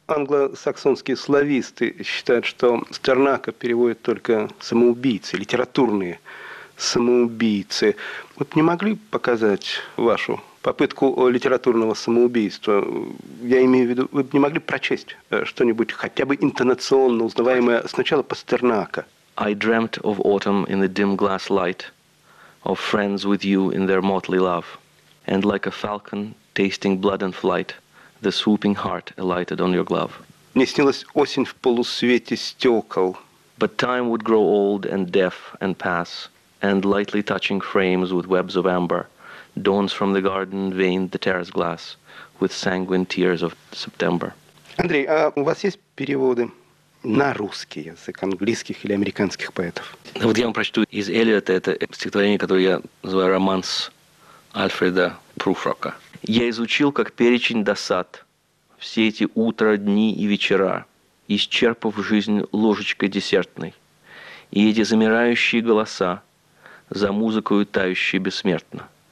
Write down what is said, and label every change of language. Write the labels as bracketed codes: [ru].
[ru] Англосаксонские слависты считают, что Стернака переводят только самоубийцы, литературные самоубийцы. Вот не могли показать вашу попытку литературного самоубийства? Я имею в виду, вы бы не могли прочесть что-нибудь хотя бы интонационно узнаваемое сначала по Стернака? [en] I dreamt of autumn in the dim glass light, of friends with you in their motley love, and like a falcon tasting blood and flight, the swooping heart alighted on your glove. [ru] Мне снилась осень в полусвете стекол. [en] But time would grow old and deaf and pass, and lightly touching frames with webs of amber, dawns from the garden veined the terrace glass with sanguine tears of September. [ru] Андрей, а у вас есть переводы на русский язык английских или американских поэтов? Ну, вот я вам прочту из Эллиота это стихотворение, которое я называю «Романс Альфреда Пруфрока». «Я изучил, как перечень досад, все эти утра, дни и вечера, исчерпав жизнь ложечкой десертной, и эти замирающие голоса за музыкою тающие бессмертно.